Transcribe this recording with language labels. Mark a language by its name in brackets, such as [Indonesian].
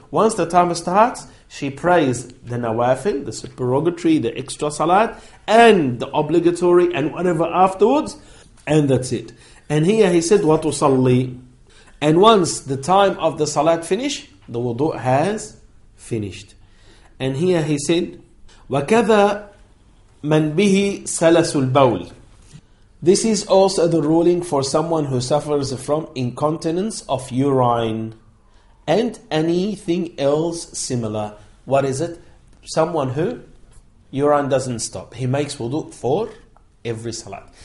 [English] Once the time starts, she prays the nawafil, the supererogatory, the extra salat, and the obligatory and whatever afterwards. And that's it. And here he said, وَتُصَلِّي. And once the time of the salat finish, the wudu has finished. And here he said, [Arabic] وَكَذَا مَنْ بِهِ سَلَسُ الْبَوْلِ. [English] This is also the ruling for someone who suffers from incontinence of urine and anything else similar. What is it? Someone who urine doesn't stop. He makes wudu for every salat.